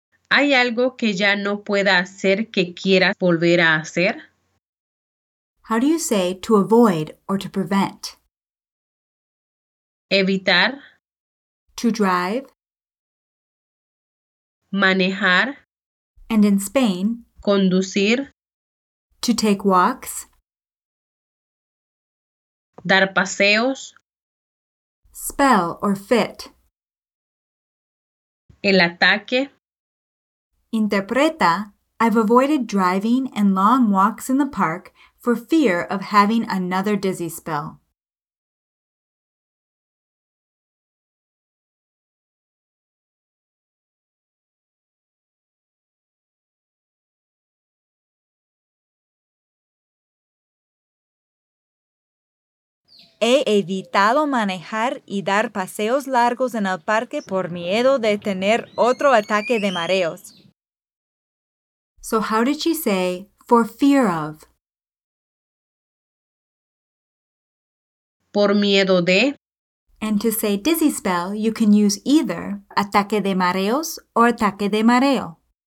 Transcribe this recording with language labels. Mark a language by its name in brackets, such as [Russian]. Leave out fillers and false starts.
[Spanish] ¿Hay algo que ya no pueda hacer que quieras volver a hacer? [English] How do you say to avoid or to prevent? [Spanish] Evitar. [English] To drive. [Spanish] Manejar. [English] And in Spain, [Spanish] conducir. [English] To take walks. [Spanish] Dar paseos. [English] Spell or fit. [Spanish] El ataque. [English] Interpreta, I've avoided driving and long walks in the park for fear of having another dizzy spell. [Spanish] He evitado manejar y dar paseos largos en el parque por miedo de tener otro ataque de mareos. [English] So how did she say, for fear of? [Spanish] Por miedo de. [English] And to say dizzy spell, you can use either ataque de mareos or ataque de mareo.